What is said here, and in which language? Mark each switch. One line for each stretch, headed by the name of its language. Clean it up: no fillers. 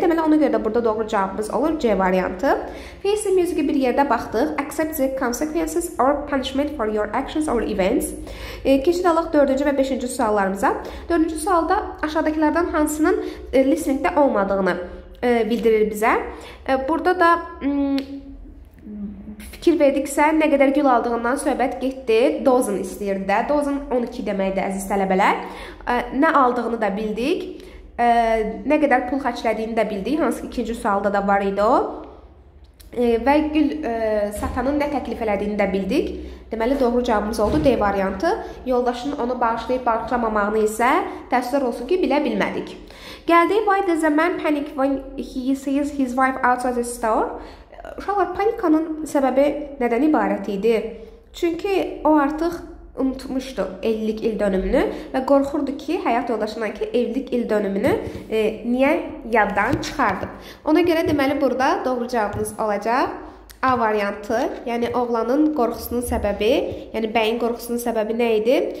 Azerbaijani: Deməli, ona görə də burada doğru cavabımız olur, C variantı. Face music-i bir yerdə baxdıq.
English: Accept the consequences or punishment for your actions or events.
Azerbaijani: Keçid alaq 4-cü və 5-ci suallarımıza. 4-cü sualda aşağıdakilərdən hansının listeningdə olmadığını bildirir bizə. Burada da fikir verdiksə, nə qədər gül aldığından söhbət getdi. Dozen istəyir də. Dozen 12 deməkdir əziz tələbələr. Nə aldığını da bildik. Nə qədər pul xərclədiyini də bildik. Hansı ki, ikinci sualda da var idi o. Və gül satanın nə təklif elədiyini də bildik. Deməli, doğru cavabımız oldu D variantı. Yoldaşının onu bağışlayıb bağışlamamağını isə təəssüflər olsun ki, bilə bilmədik. Gəldi,
English: why does a man panic when he sees his wife out of the store?
Azerbaijani: Uşaqlar, panikanın səbəbi nədən ibarət idi? Çünki o artıq unutmuşdu evlilik il dönümünü və qorxurdu ki, həyat yoldaşından ki, evlilik il dönümünü niyə yaddan çıxardı. Ona görə deməli, burada doğru cavabınız olacaq A variantı, yəni oğlanın qorxusunun səbəbi, yəni bəyin qorxusunun səbəbi nə idi?